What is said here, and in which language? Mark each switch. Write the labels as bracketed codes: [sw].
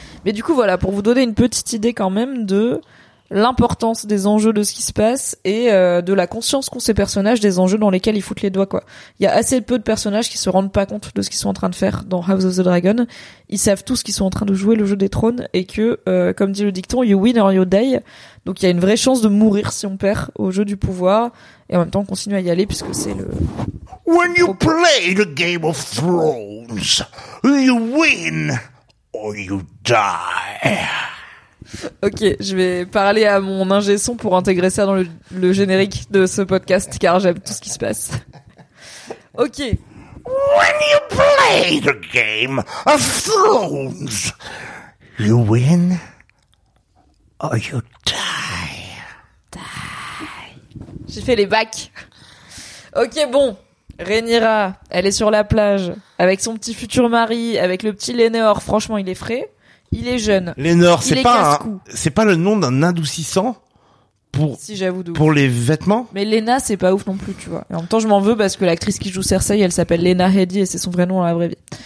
[fr] Mais du coup voilà, pour vous donner une petite idée quand même de l'importance des enjeux de ce qui se passe et de la conscience qu'ont ces personnages des enjeux dans lesquels ils foutent les doigts, quoi. Il y a assez peu de personnages qui se rendent pas compte de ce qu'ils sont en train de faire dans House of the Dragon. Ils savent tous qu'ils sont en train de jouer le jeu des trônes et que comme dit le dicton, [en] you win or you die. [fr] Donc il y a une vraie chance de mourir si on perd au jeu du pouvoir et en même temps on continue à y aller puisque c'est le... [en] When you play the Game of Thrones, you win or you die. [fr] Ok, je vais parler à mon ingé son pour intégrer ça dans le générique de ce podcast car j'aime tout ce qui se passe. Ok. [en] When you play the Game of Thrones, you win or you die. [fr] Die. J'ai fait les bacs. Ok, bon. Rhaenyra, elle est sur la plage avec son petit futur mari, avec le petit Lennor. Franchement, il est frais. Il est jeune. Lennor, c'est pas le nom d'un adoucissant pour, si j'avoue d'où, pour les vêtements. Mais Lena, c'est pas ouf non plus, tu vois. Et en même temps, je m'en veux parce que l'actrice qui joue Cersei, elle s'appelle Lena Headey et c'est son vrai nom dans la vraie vie.